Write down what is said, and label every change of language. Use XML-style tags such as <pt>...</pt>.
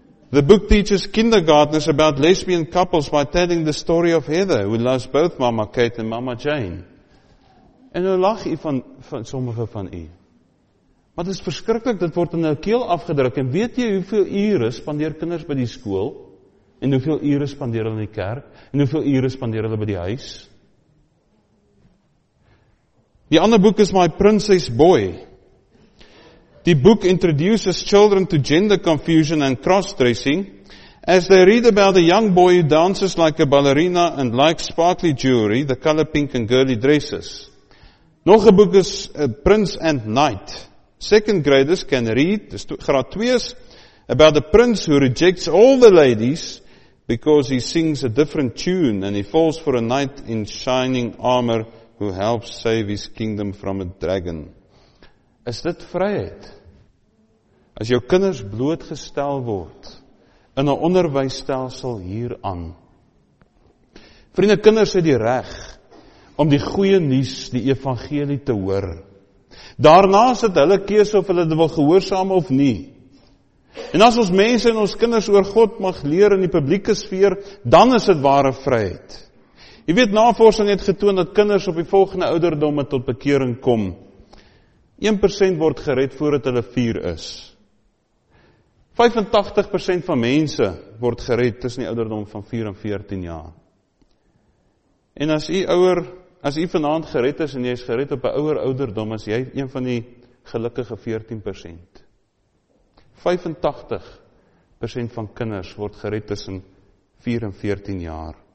<en>The book teaches kindergartners about lesbian couples by telling the story of Heather, who loves both Mama Kate and Mama Jane.</en> <af>En nou lag u van sommige van u. Maar dit is verskriklik, dit word in die keel afgedruk, en weet jy hoeveel ure spandeer kinders by die skool, en hoeveel ure spandeer hulle in die kerk, en hoeveel ure spandeer hulle by die huis? Die ander boek is My Princess Boy. Die boek</af> <en>introduces children to gender confusion and cross-dressing as they read about a young boy who dances like a ballerina and likes sparkly jewelry, the color pink and girly dresses.</en> <af>Nog een boek is Prince and Knight.</af> <en>Second graders can read,</en> <af>dis graad 2's,</af> <en>about a prince who rejects all the ladies because he sings a different tune and he falls for a knight in shining armor who helps save his kingdom from a dragon.</en> <af>Is dit vryheid? As jou kinders blootgestel word in 'n onderwysstelsel hieraan. Vriende, kinders het die reg om die goeie nuus, die evangelie te hoor. Daarna is dit hulle keuse of hulle dit wil gehoorsaam of nie. En as ons mense en ons kinders oor God mag leer in die publieke sfeer, dan is dit ware vryheid. Jy weet, navorsing het getoon dat kinders op die volgende ouderdomme tot bekering kom. 1% word gered voordat hulle 4 is. 85% van mense word gered tussen die ouderdom van 4 en 14 jaar. En as jy ouer, as jy vanaand gered is en jy is gered op 'n ouer ouderdom, is jy een van die gelukkige 14%. 85% van kinders word gered tussen 4 en 14 jaar.</af>